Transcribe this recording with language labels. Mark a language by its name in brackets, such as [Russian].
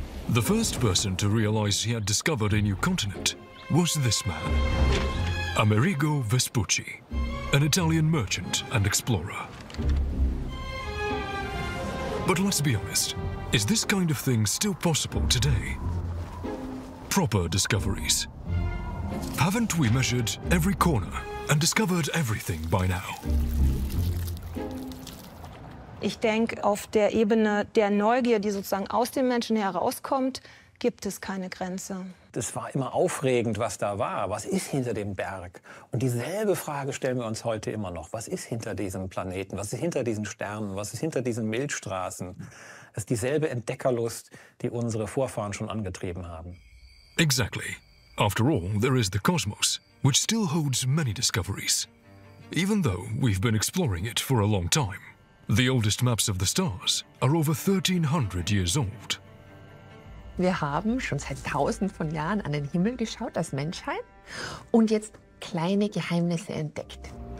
[English] The first person to realize he had discovered a new continent was this man, Amerigo Vespucci, an Italian merchant and explorer. But let's be honest, is this kind of thing still possible today? Proper discoveries. Haven't we measured every corner and discovered everything by now? [German] Ich denke, auf der Ebene der Neugier, die sozusagen aus dem Menschen herauskommt, gibt es keine Grenze. Das war immer aufregend, was da war. Was ist hinter dem Berg? Und dieselbe Frage stellen wir uns heute immer noch. Was ist hinter diesem Planeten? Was ist hinter diesen Sternen? Was ist hinter diesen Milchstraßen? Es ist dieselbe Entdeckerlust, die unsere Vorfahren schon angetrieben haben. [English] Exactly. After all, there is the cosmos, which still holds many discoveries. Even though we've been exploring it for a long time. The oldest maps of the stars are over 1300 years old. [German] Wir haben schon seit tausend von Jahren an den Himmel geschaut als Menschheit und jetzt kleine Geheimnisse entdeckt.